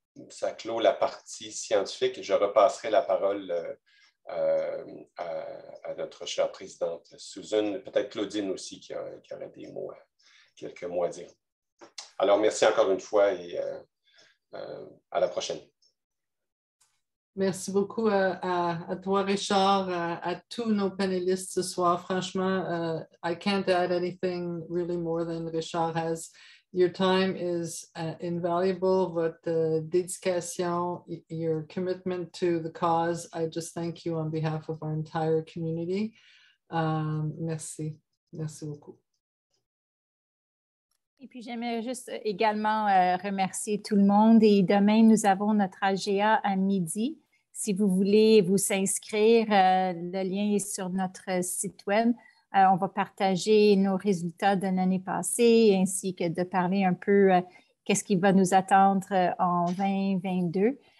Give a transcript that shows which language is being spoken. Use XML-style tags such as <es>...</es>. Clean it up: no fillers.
<fr>Ça clôt la partie scientifique. Je repasserai la parole à notre chère présidente Susan, peut-être Claudine aussi qui aurait quelques mots à dire. Alors, merci encore une fois et à la prochaine. Merci beaucoup à toi, Richard, à tous nos panélistes ce soir. Franchement,</fr> <en>I can't add anything really more than Richard has. Your time is invaluable,</en> <fr>votre dédication,</fr> <en>your commitment to the cause. I just thank you on behalf of our entire community.</en> <fr>Merci. Merci beaucoup. Et puis, j'aimerais juste également remercier tout le monde. Et demain, nous avons notre AGA à midi. Si vous voulez vous inscrire, le lien est sur notre site web. On va partager nos résultats de l'année passée ainsi que de parler un peu qu'est-ce qui va nous attendre en 2022.</fr>